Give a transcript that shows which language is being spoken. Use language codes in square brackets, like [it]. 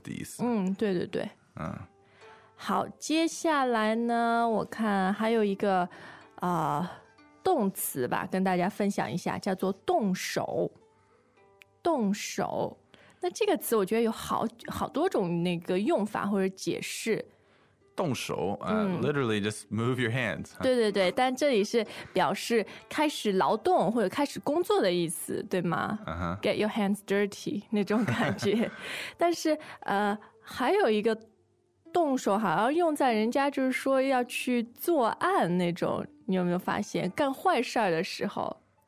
[zh] 的意思。对。好，接下来呢，我看还有一个动词吧，跟大家分享一下，叫做动手。动手，那这个词我觉得有好多种那个用法或者解释。 [en] 动手，literally just move your hands. [zh] 对，但这里是表示开始劳动或者开始工作的意思，对吗？ [en] Get your hands dirty [zh] 那种感觉。但是还有一个动手，好像用在人家就是说要去作案那种，你有没有发现？干坏事的时候。